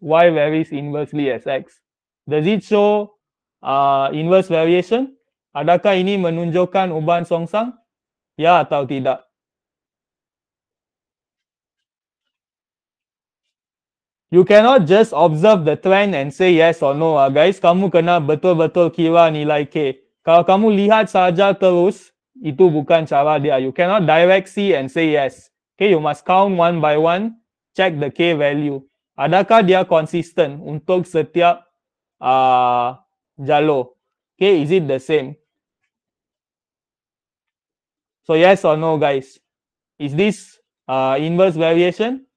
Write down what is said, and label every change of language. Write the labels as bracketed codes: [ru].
[en] Y varies inversely as X. Does it show inverse variation? [ms] Adakah ini menunjukkan ubahan songsang? Ya atau tidak? [en] You cannot just observe the trend and say yes or no. [ms] Guys, kamu kena betul-betul kira nilai K. Kalau kamu lihat saja terus, itu bukan cara dia. [en] You cannot direct see and say yes. Okay, you must count one by one, check the K value. [ms] Adakah dia consistent untuk setiap jalur? [en] Okay, is it the same? So yes or no, guys? Is this inverse variation?